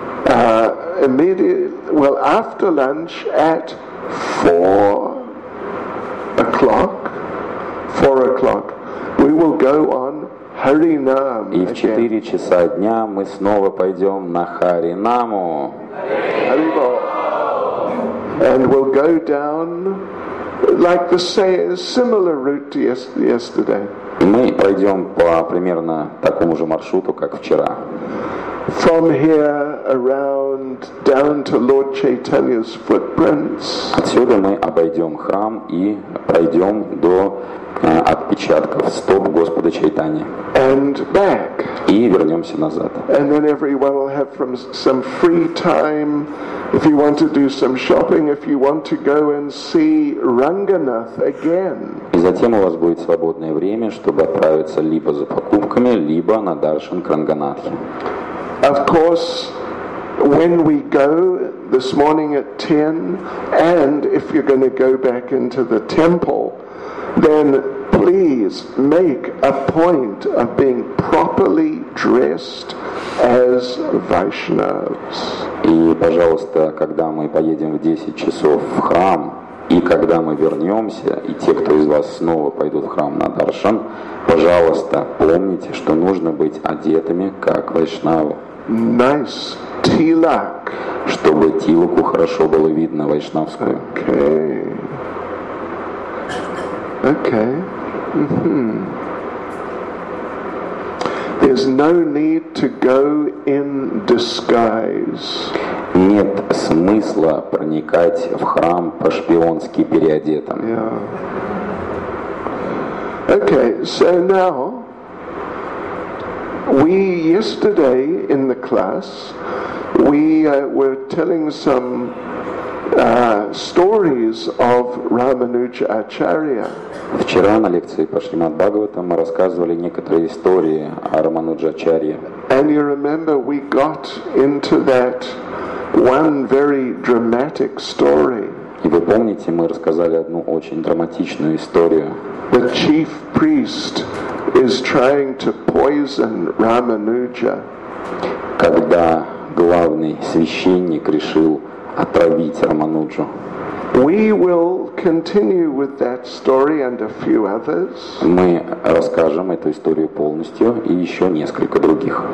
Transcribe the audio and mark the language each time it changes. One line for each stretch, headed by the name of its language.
English: After lunch at 4 o'clock, we will go on Харинам.
Russian: И в 4 часа дня мы снова пойдем на Харинаму.
English: And we'll go down like the same, similar route to yesterday.
Russian: Мы пойдем по примерно такому же маршруту, как вчера.
English: From here around down to Lord Chaitanya's footprints.
Russian: Отсюда мы обойдем храм и пройдем до отпечатков стоп Господа Чайтани.
English: And back.
Russian: И вернемся назад.
English: And then everyone will have some free time. If you want to do some shopping, if you want to go and see Ranganath again.
Russian: И затем у вас будет свободное время, чтобы отправиться либо за покупками, либо на даршан к Ранганатхе.
English: Of course, when we go this morning at 10, and if you're going to go back into the temple, then please make a point of being properly dressed as Vaishnavas.
Russian: И, пожалуйста, когда мы поедем в 10 часов в храм, и когда мы вернемся, и те, кто из вас снова пойдут в храм на даршан, пожалуйста, помните, что нужно быть одетыми как вайшнавы.
English: Nice tilak.
Russian: Чтобы тилаку хорошо было видно вайшнавскую.
English: Okay. Okay. Mm-hmm. There's no need to go in disguise.
Russian: Нет смысла проникать в храм по-шпионски переодетым.
English: Yeah. Okay, so now we yesterday in the class we were telling some stories of Ramanuja Acharya.
Russian: Вчера на лекции по Шримад Бхагаватам мы рассказывали некоторые истории о Рамануджа Ачарье.
English: And you remember we got into that one very dramatic story.
Russian: И вы помните, мы рассказали одну очень драматичную историю.
English: The chief priest is trying to poison Ramanuja.
Russian: Когда главный священник решил отравить Рамануджу.
English: We will continue with that story and a few others.
Russian: Мы расскажем эту историю полностью и еще несколько других.